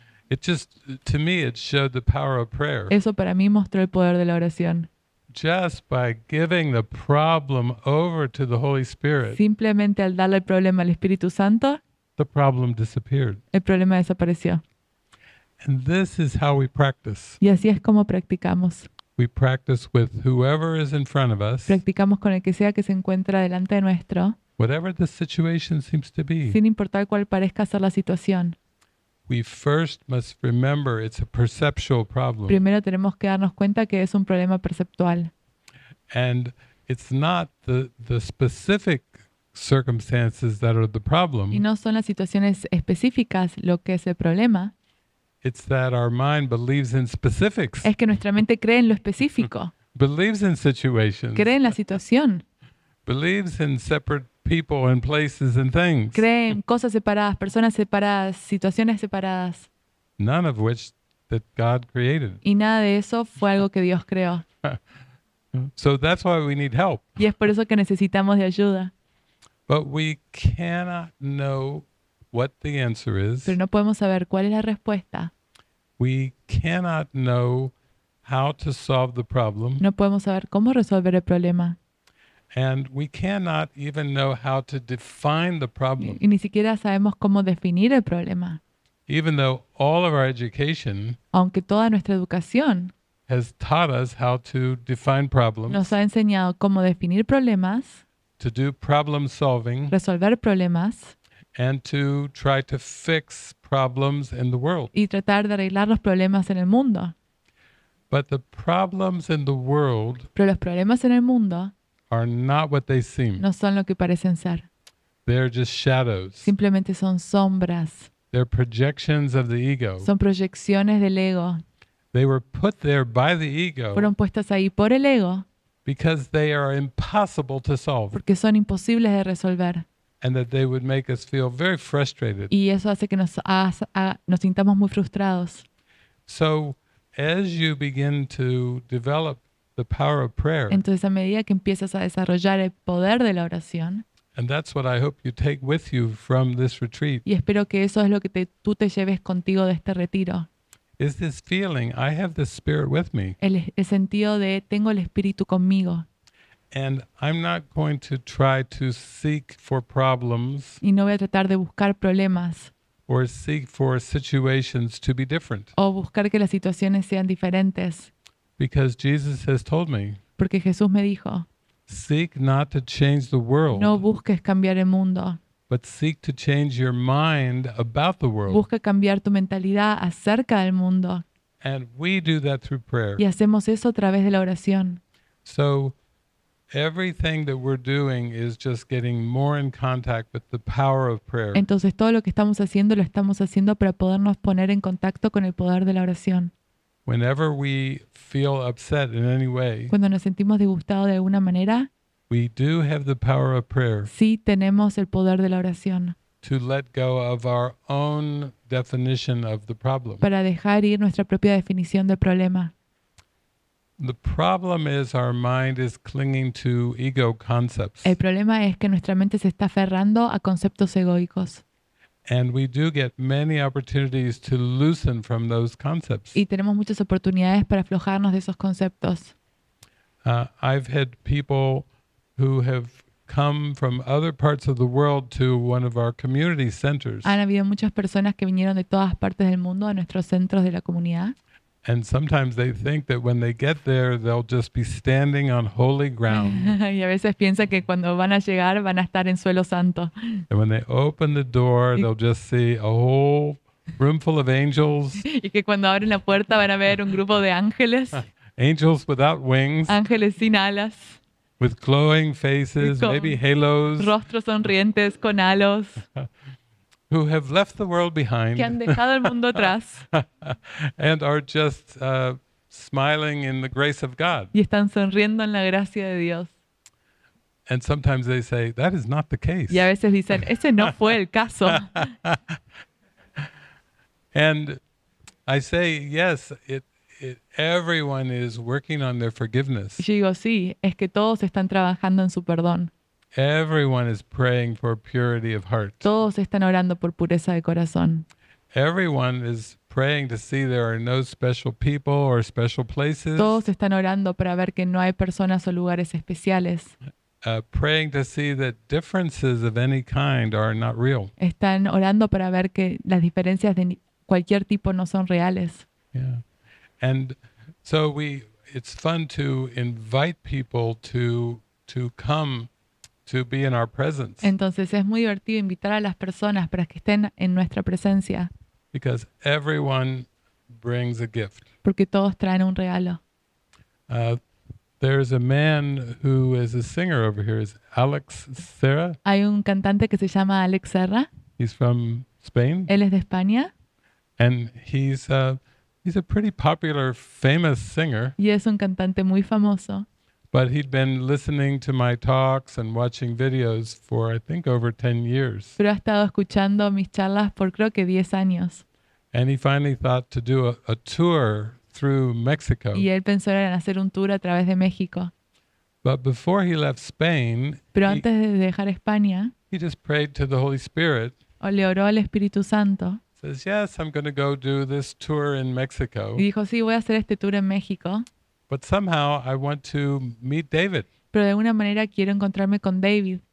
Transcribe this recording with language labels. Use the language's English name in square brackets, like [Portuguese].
[English] It just, to me, it showed the power of prayer. [Spanish] Eso para mí mostró el poder de la oración. [English] Just by giving the problem over to the Holy Spirit. [Spanish] Simplemente al darle el problema al Espíritu Santo. [English] The problem disappeared. [Spanish] El problema desapareció. [English] And this is how we practice. [Spanish] Y así es como practicamos. [English] We practice with whoever is in front of us. [Spanish] Practicamos con el que sea que se encuentra delante de nuestro. [English] Whatever the situation seems to be. [Spanish] Sin importar cuál parezca ser la situación. [English] We first must remember it's a perceptual problem. [Spanish] Primero tenemos que darnos cuenta que es un problema perceptual. [English] And it's not the specific circumstances that are the problem. [Spanish] Y no son las situaciones específicas lo que es el problema. [English] It's that our mind believes in specifics. [Spanish] Es que nuestra mente cree en lo específico. [English] Believes in situations. [Spanish] Cree en la situación. [English] Believes in separate people and places and things. [Spanish] Creen cosas separadas, personas separadas, situaciones separadas. [English] None of which that God created. [Spanish] Y nada de eso fue algo que Dios creó. [English] So that's why we need help. [Spanish] Y es por eso que necesitamos de ayuda. [English] But we cannot know what the answer is. [Spanish] Pero no podemos saber cuál es la respuesta. [English] We cannot know how to solve the problem. [Spanish] No podemos saber cómo resolver el problema. [English] And we cannot even know how to define the problem. [Spanish] Y ni siquiera sabemos cómo definir el problema. [English] Even though all of our education, [Spanish] aunque toda nuestra educación, [English] has taught us how to define problems, [Spanish] nos ha enseñado cómo definir problemas, [English] to do problem solving, [Spanish] resolver problemas, [English] and to try to fix problems in the world, [Spanish] y tratar de arreglar los problemas en el mundo. [English] But the problems in the world, [Spanish] pero los problemas en el mundo, [English] are not what they seem. [Spanish] No son lo que parecen ser. [English] They're just shadows. [Spanish] Simplemente son sombras. [English] They're projections of the ego. [Spanish] Son proyecciones del ego. [English] They were put there by the ego. [Spanish] Fueron puestas ahí por el ego. [English] Because they are impossible to solve. [Spanish] Porque son imposibles de resolver. [English] And that they would make us feel very frustrated. [Spanish] Y eso hace que nos sintamos muy frustrados. [English] So, as you begin to develop the power of prayer. [Spanish] Entonces, a medida que empiezas a desarrollar el poder de la oración. [English] And that's what I hope you take with you from this retreat. [Spanish] Y espero que eso es lo que tú te lleves contigo de este retiro. [English] Is this feeling, I have the Spirit with me. [Spanish] El sentido de tengo el Espíritu conmigo. [English] And I'm not going to try to seek for problems. [Spanish] Y no voy a tratar de buscar problemas. [English] Or seek for situations to be different. [Spanish] O buscar que las situaciones sean diferentes. [English] Because Jesus has told me. [Spanish] Porque Jesús me dijo. [English] Seek not to change the world. [Spanish] No busques cambiar el mundo. [English] But seek to change your mind about the world. [Spanish] Busca cambiar tu mentalidad acerca del mundo. [English] And we do that through prayer. [Spanish] Y hacemos eso a través de la oración. [English] So everything that we're doing is just getting more in contact with the power of prayer. [Spanish] Entonces todo lo que estamos haciendo para podernos poner en contacto con el poder de la oración. [English] Whenever we feel upset in any way, [Spanish] cuando nos sentimos disgustados de alguna manera, [English] we do have the power of prayer. [Spanish] Sí, tenemos el poder de la oración. [English] To let go of our own definition of the problem. [Spanish] Para dejar ir nuestra propia definición del problema. [English] The problem is our mind is clinging to ego concepts. [Spanish] El problema es que nuestra mente se está aferrando a conceptos egoicos. [English] And we do get many opportunities to loosen from those concepts. [Spanish] Y tenemos muchas oportunidades para aflojarnos de esos conceptos. [English] I've had people who have come from other parts of the world to one of our community centers. [Spanish] Han habido muchas personas que vinieron de todas partes del mundo a nuestros centros de la comunidad. [English] And sometimes they think that when they get there, they'll just be standing on holy ground. [Spanish] Y a veces piensan que cuando van a llegar, van a estar en suelo santo. [English] And when they open the door, they'll just see a whole room full of angels. [Spanish] Y que cuando abren la puerta, van a ver un grupo de ángeles. [English] Angels without wings. [Spanish] Ángeles sin alas. [English] With glowing faces, maybe halos. [Spanish] Rostros sonrientes con halos. [English] Who have left the world behind. [Spanish] Que han dejado el mundo atrás. [English] And are just smiling in the grace of God. [Spanish] Y están sonriendo en la gracia de Dios. [English] And sometimes they say, that is not the case. [Spanish] Y a veces dicen, ese no fue el caso. [English] And I say, yes, everyone is working on their forgiveness. [Spanish] Y yo digo, sí, es que todos están trabajando en su perdón. [English] Everyone is praying for purity of heart. [Spanish] Todos están orando por pureza de corazón. [English] Everyone is praying to see there are no special people or special places. [Spanish] Todos están orando para ver que no hay personas o lugares especiales. [English] Praying to see that differences of any kind are not real. [Spanish] Están orando para ver que las diferencias de cualquier tipo no son reales. [English] Yeah. And so it's fun to invite people to come to be in our presence. [Spanish] Entonces es muy divertido invitar a las personas para que estén en nuestra presencia. [English] Because everyone brings a gift. [Spanish] Porque todos traen un regalo. [English] There's a man who is a singer over here. Is Alex Serra? [Spanish] Hay un cantante que se llama Alex Serra. [English] He's from Spain. [Spanish] Él es de España. [English] And he's a pretty popular, famous singer. [Spanish] Y es un cantante muy famoso. [English] But he'd been listening to my talks and watching videos for, I think, over 10 years. [Spanish] Pero ha estado escuchando mis charlas por creo que 10 años. [English] And he finally thought to do a tour through Mexico. [Spanish] Y él pensó en hacer un tour a través de México. [English] But before he left Spain, [Spanish] pero antes de dejar España, [English] he just prayed to the Holy Spirit. [Spanish] o le oró al Espíritu Santo. [English] Says, yes, I'm going to go do this tour in Mexico. [Spanish] Y dijo, sí, voy a hacer este tour en México. [English] But somehow I want to meet David. [Spanish] Pero de una manera quiero encontrarme con David.